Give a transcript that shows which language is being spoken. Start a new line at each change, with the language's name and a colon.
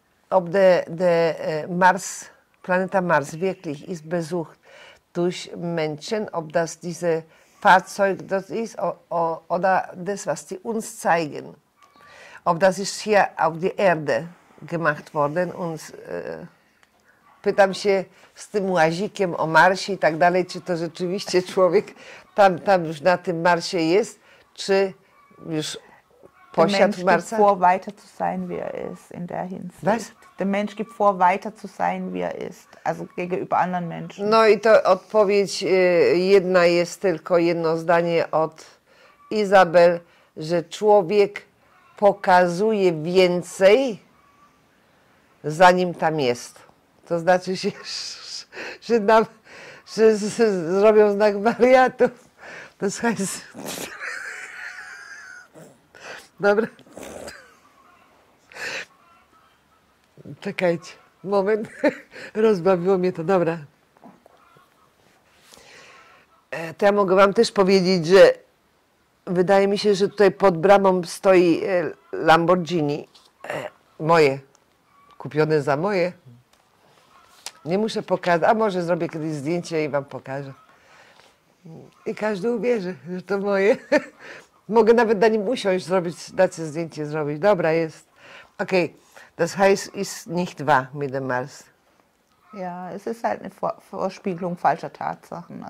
German: Ob der Mars, Planeta Mars wirklich ist besucht durch Menschen, ob das diese Fahrzeug das ist oder das, was die uns zeigen. Ob das ist hier auf der Erde gemacht worden und...
Polish: Pytam się z tym łazikiem o Marsie i tak dalej, czy to rzeczywiście człowiek tam już na tym Marsie jest, czy już
German: posiadł Mensch gibt vor, weiter zu sein, wie er ist, in der Hinsicht. Was? Der Mensch gibt vor, weiter zu sein, wie er ist, also gegenüber anderen Menschen.
Polish: No i to odpowiedź jedna jest, tylko jedno zdanie od Izabel, że człowiek pokazuje więcej, zanim tam jest. To znaczy się, że nam, że zrobią znak wariatu. To jest... Dobra. Czekajcie, moment. Rozbawiło mnie to, dobra. To ja mogę wam też powiedzieć, że wydaje mi się, że tutaj pod bramą stoi Lamborghini. Moje. Kupione za moje. Nie muszę pokazać, a może zrobię kiedyś zdjęcie i wam pokażę. I każdy uwierzy, że to moje. Mogę nawet na nim usiąść, zrobić, dać sobie zdjęcie zrobić. Dobra, jest. Okej.
German: Okay. Das heißt, ist nicht wahr mit dem Mars. Ja, es ist halt eine Vorspiegelung falscher Tatsachen.